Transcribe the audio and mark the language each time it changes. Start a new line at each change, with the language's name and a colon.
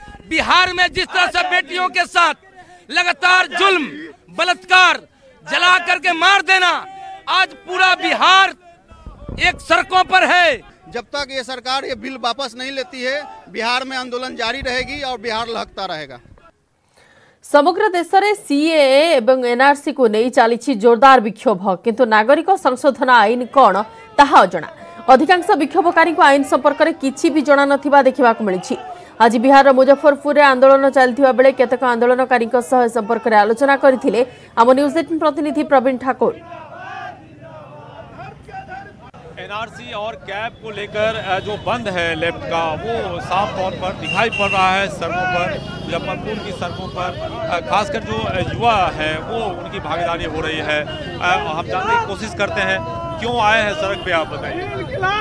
Hindi: बिहार में जिस तरह से बेटियों के साथ लगातार जुल्म, बलात्कार, जला करके मार देना, आज पूरा बिहार एक सड़कों पर है। जब तक ये सरकार ये बिल वापस नहीं लेती है, बिहार में आंदोलन जारी रहेगी और बिहार लहकता रहेगा।
Odia: ସମଗ୍ର ଦେଶରେ ସିଏଏ ଏବଂ NRCକୁ ନେଇ ଚାଲିଛି ଜୋରଦାର ବିକ୍ଷୋଭ, କିନ୍ତୁ ନାଗରିକ ସଂଶୋଧନ ଆଇନ କ'ଣ ତାହା ଅଜଣା। ଅଧିକାଂଶ ବିକ୍ଷୋଭକାରୀଙ୍କୁ ଆଇନ ସମ୍ପର୍କରେ କିଛି ବି ଜଣାନଥିବା ଦେଖିବାକୁ ମିଳିଛି। ଆଜି ବିହାରର ମୁଜଫରପୁରରେ ଆନ୍ଦୋଳନ ଚାଲିଥିବା ବେଳେ କେତେକ ଆନ୍ଦୋଳନକାରୀଙ୍କ ସହ ଏ ସମ୍ପର୍କରେ ଆଲୋଚନା କରିଥିଲେ ଆମ ନ୍ୟୁଜ୍ 18 ପ୍ରତିନିଧି ପ୍ରବୀଣ ଠାକୁର।
Hindi: एनआरसी और कैब को लेकर जो बंद है लेफ्ट का, वो साफ तौर पर दिखाई पड़ रहा है सड़कों पर, मुजफ्फरपुर की सड़कों पर। खासकर जो युवा है वो उनकी भागीदारी हो रही है। हम जानने की कोशिश करते हैं क्यों आए हैं सड़क पे, आप बताइए।